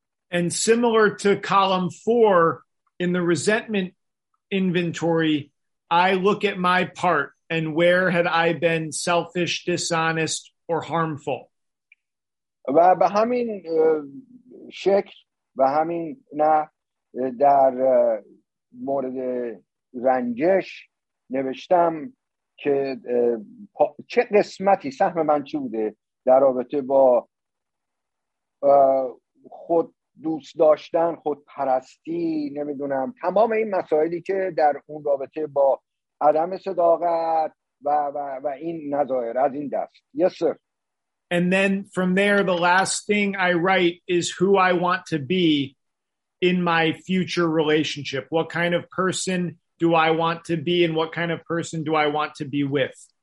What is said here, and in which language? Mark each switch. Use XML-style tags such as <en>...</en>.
<en>And similar to column 4 in the resentment inventory, I look at my part and where had I been selfish, dishonest or harmful.</en> <fa>و به همین شکل و همین نه در مورد رنجش نوشتم که چه قسمتی سهم من چی بوده در رابطه با خود دوست داشتن خود پرستی نمیدونم تمام این مسائلی که در اون رابطه با عدم صداقت و و و این نظایر از این دست.</fa> <en>Yes, sir. And then from there, the last thing I write is who I want to be in my future relationship. What kind of person do I want to be and what kind of person do I want to be with?</en>